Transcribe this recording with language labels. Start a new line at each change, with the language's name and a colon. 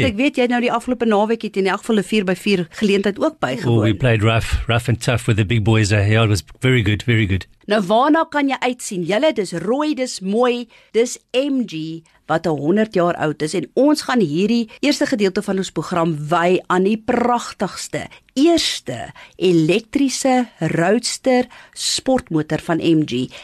Afrikaans: Want ek weet, jy het nou die afgelope naweek het in elk geval 'n 4x4 geleentheid ook bygewoon.
English: Oh, we played rough and tough with the big boys. Yeah, it was very good, very good.
Afrikaans: Nou, waarna kan jy uitsien? Julle, dis rooi, dis mooi, dis MG, wat 100 jaar oud is. En ons gaan hierdie eerste gedeelte van ons program wy aan die prachtigste, eerste elektriese roadster sportmotor van MG.